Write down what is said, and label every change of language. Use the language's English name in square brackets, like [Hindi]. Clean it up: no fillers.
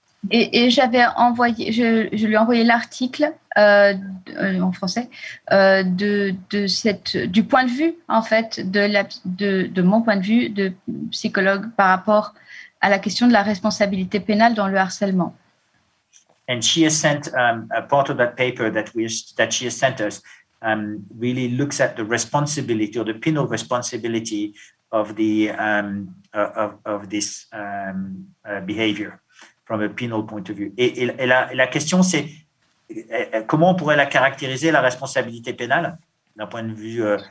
[French] Et j'avais envoyé, je lui ai envoyé l'article en français de cette du point de vue en fait de mon point de vue de psychologue par rapport à la question de la responsabilité pénale dans le harcèlement. [English] And she has sent a part of that paper that she has sent us really looks at the responsibility or the penal responsibility of the of this behavior from a penal point of view. [French] Et la question c'est comment on pourrait la caractériser la responsabilité pénale d'un point de vue